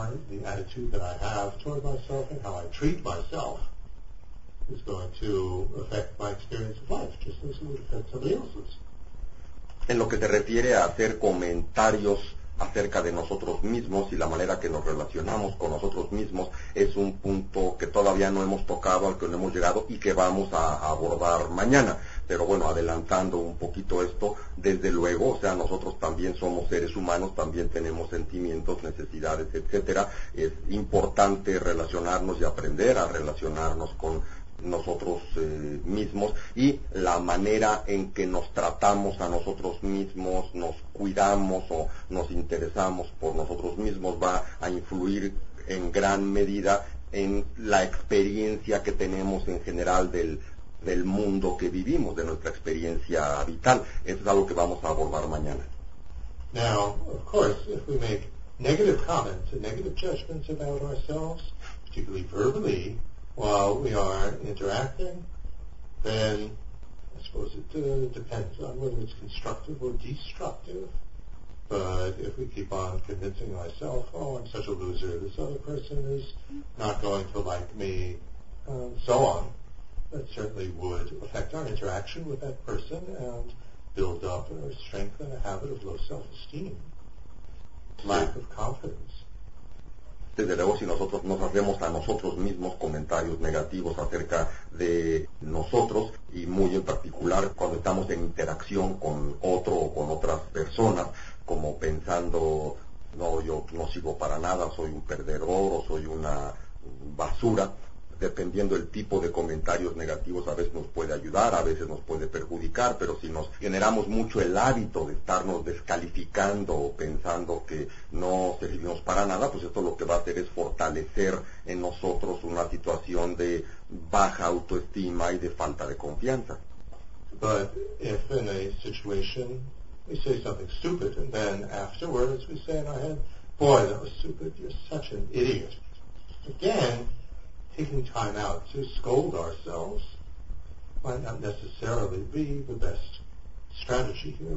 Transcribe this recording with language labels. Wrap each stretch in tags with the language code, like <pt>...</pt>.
<en>The attitude that I have toward myself and how I treat myself is going to affect my experience of life, just as it would affect somebody else's.</en> <es>En lo que te refiere a hacer comentarios acerca de nosotros mismos y la manera que nos relacionamos con nosotros mismos es un punto que todavía no hemos tocado, al que no hemos llegado y que vamos a abordar mañana. Pero bueno, adelantando un poquito esto, desde luego, o sea, nosotros también somos seres humanos, también tenemos sentimientos, necesidades, etcétera. Es importante relacionarnos y aprender a relacionarnos con nosotros mismos, y la manera en que nos tratamos a nosotros mismos, nos cuidamos o nos interesamos por nosotros mismos va a influir en gran medida en la experiencia que tenemos en general del mundo que vivimos, de nuestra experiencia vital. Eso es algo que vamos a abordar mañana.</es> <en>Now, of course, if we make negative comments and negative judgments about ourselves, particularly verbally, while we are interacting, then I suppose it depends on whether it's constructive or destructive. But if we keep on convincing ourselves, oh, I'm such a loser, this other person is not going to like me, and so on, that certainly would affect our interaction with that person and build up or strengthen a habit of low self-esteem, lack of confidence.</en> <es>Desde luego, si nosotros nos hacemos a nosotros mismos comentarios negativos acerca de nosotros, y muy en particular cuando estamos en interacción con otro o con otras personas, como pensando, no, yo no sirvo para nada, soy un perdedor o soy una basura, dependiendo del tipo de comentarios negativos, a veces nos puede ayudar, a veces nos puede perjudicar, pero si nos generamos mucho el hábito de estarnos descalificando o pensando que no servimos para nada, pues esto lo que va a hacer es fortalecer en nosotros una situación de baja autoestima y de falta de confianza.</es> <en>But if in a situation we say something stupid and then afterwards we say in our head, boy, that was stupid, you're such an idiot. Again, taking time out to scold ourselves might not necessarily be the best strategy here.</en>